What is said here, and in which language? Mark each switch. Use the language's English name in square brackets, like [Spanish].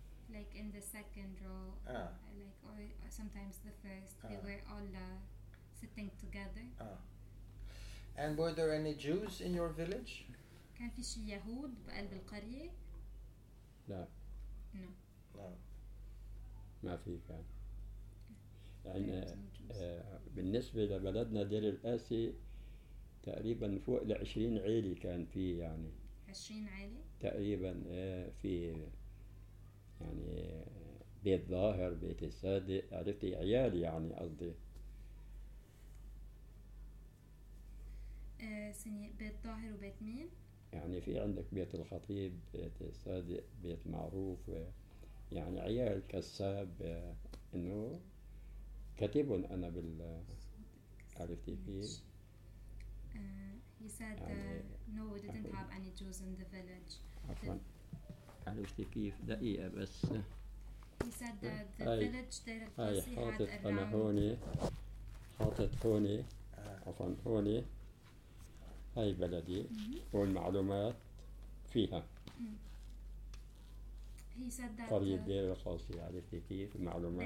[English] Like in the second row, like or sometimes the first, we were all sitting together. And were there any Jews in your village? [Arabic] كان في شي يهود بقلب القرية؟ لا. [English] No. No. [Arabic] ما في كان. يعني بالنسبة لبلدنا دير القاسي تقريبا فوق 20 عيلة كان في يعني. 20 عيلة؟ تقريبا في. يعني بيت ظاهر بيت السادة، عرفتي عيال يعني قصدي. سنية بيت طاهر وبيت مين؟ يعني في عندك بيت الخطيب، بيت الصادق، بيت معروف، يعني عيال كساب، انه كاتبهم انا بال، عرفتي فيه [English] he said no we didn't have any Jews in the village. [Arabic] عفوا عرفتي كيف، دقيقة بس. [English] he said that the village they had around [Arabic] حاطط هوني، عفوا هوني هاي بلدي والمعلومات فيها. [English] He said that [Arabic] قرية دير الخاصة، عرفتي كيف، معلومات.